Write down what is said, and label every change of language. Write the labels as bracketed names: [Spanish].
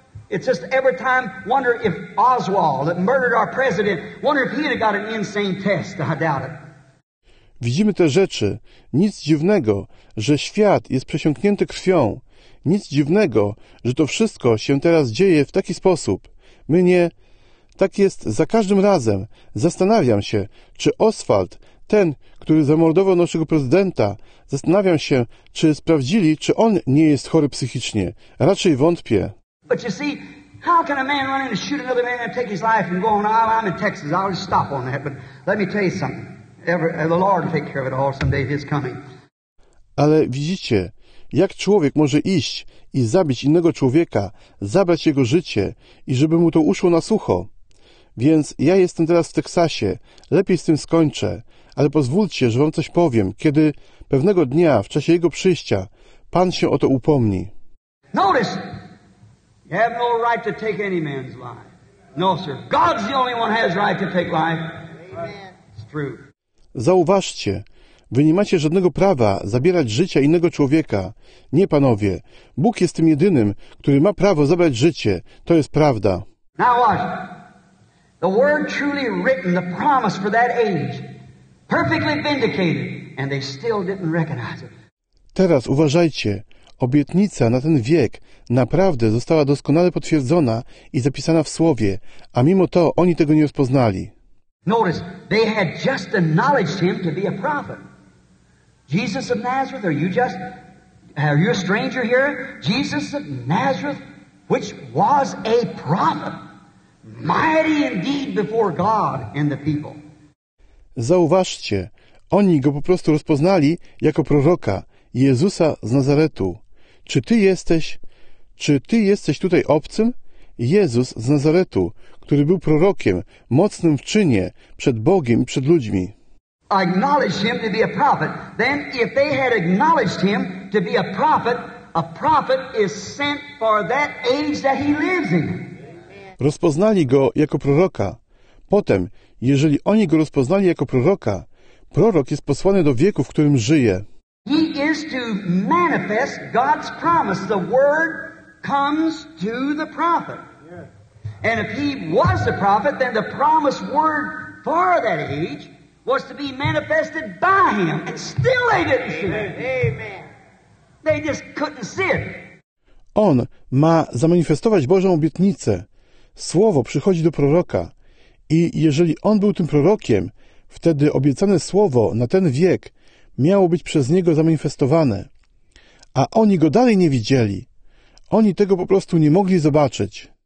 [English] It's just every time, wonder if Oswald, that murdered our president, wonder if he'd have got an insane test. I doubt it. [Polish] Widzimy te rzeczy. Nic dziwnego, że świat jest przesiąknięty krwią. Nic dziwnego, że to wszystko się teraz dzieje w taki sposób. My nie. Tak jest za każdym razem. Zastanawiam się, czy Oswald, ten, który zamordował naszego prezydenta, zastanawiam się, czy sprawdzili, czy on nie jest chory psychicznie. Raczej wątpię. [English] But you see, how can a man run in and shoot another man and take his life and go on? I'm in Texas. I'll just stop on that. But let me tell you something. The Lord will take care of it all someday if he's coming. [Polish] Ale widzicie, jak człowiek może iść i zabić innego człowieka, zabrać jego życie i żeby mu to uszło na sucho. Więc ja jestem teraz w Teksasie, lepiej z tym skończę, ale pozwólcie, że wam coś powiem, kiedy pewnego dnia w czasie jego przyjścia Pan się o to upomni. [English] Notice, you have no right to take any man's life. No, sir. God's the only one who has right to take life. It's true. [Polish] Zauważcie, wy nie macie żadnego prawa zabierać życia innego człowieka. Nie, panowie. Bóg jest tym jedynym, który ma prawo zabrać życie. To jest prawda. [English] Now watch. The word truly written, the promise for that age, perfectly vindicated, and they still didn't recognize it. [Polish] Teraz uważajcie. Obietnica na ten wiek naprawdę została doskonale potwierdzona i zapisana w Słowie, a mimo to oni tego nie rozpoznali. [English] Notice, they had just acknowledged him to be a prophet. Jesus of Nazareth, are you a stranger here? Jesus of Nazareth, which was a prophet, mighty indeed before God and the people. [Polish] Zauważcie, oni go po prostu rozpoznali jako proroka, Jezusa z Nazaretu. Czy ty jesteś tutaj obcym? Jezus z Nazaretu, który był prorokiem, mocnym w czynie, przed Bogiem, przed ludźmi. [English] Acknowledged him to be a prophet. Then if they had acknowledged him to be a prophet is sent for that age that he lives in. [Polish] Rozpoznali go jako proroka. Potem, jeżeli oni go rozpoznali jako proroka, prorok jest posłany do wieku, w którym żyje. [English] He is to manifest God's promise. The word comes to the prophet. And if he was the prophet, then the promised word for that age was to be manifested by him. And still they didn't see it. Amen. They just couldn't see it. [Polish] On ma zamanifestować Bożą obietnicę. Słowo przychodzi do proroka. I jeżeli on był tym prorokiem, wtedy obiecane słowo na ten wiek miało być przez niego zamanifestowane. A oni go dalej nie widzieli. Oni tego po prostu nie mogli zobaczyć.